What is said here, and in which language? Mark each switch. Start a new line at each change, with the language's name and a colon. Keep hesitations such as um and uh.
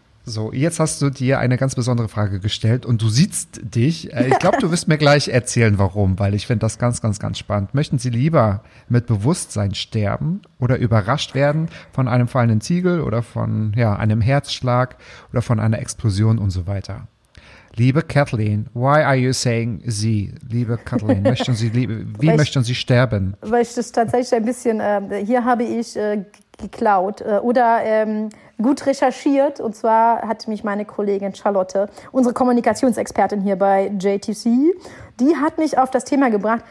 German: So, jetzt hast du dir eine ganz besondere Frage gestellt und du siehst dich. Äh, Ich glaube, du wirst mir gleich erzählen, warum, weil ich finde das ganz, ganz, ganz spannend. Möchten Sie lieber mit Bewusstsein sterben oder überrascht werden von einem fallenden Ziegel oder von ja, einem Herzschlag oder von einer Explosion und so weiter? Liebe
English: Kathleen, why are you saying Sie?
German: Liebe Kathleen, möchten Sie, liebe, wie Weil ich- möchten Sie sterben? Weil ich das tatsächlich ein bisschen, ähm, hier habe ich äh, geklaut äh, oder ähm, gut recherchiert. Und zwar hat mich meine Kollegin Charlotte, unsere Kommunikationsexpertin hier bei JTC, die hat mich auf das Thema gebracht.